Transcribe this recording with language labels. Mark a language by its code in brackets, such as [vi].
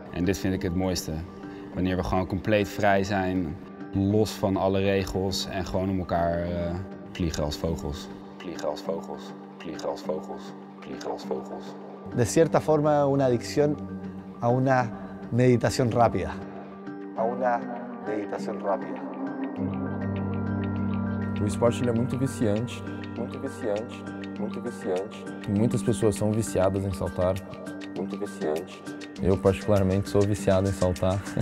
[nl] En dit vind ik het mooiste. Wanneer we gewoon compleet vrij zijn, los van alle regels en gewoon om elkaar vliegen als vogels. Vliegen als vogels, vliegen als vogels, vliegen als vogels. [es] De cierta forma una adicción a una meditación rápida. A una meditación rápida. [pt] O esporte ele é muito viciante. Muito viciante. Muito viciante. Muitas pessoas são viciadas em saltar. Muito viciante. Eu, particularmente, sou viciado em saltar.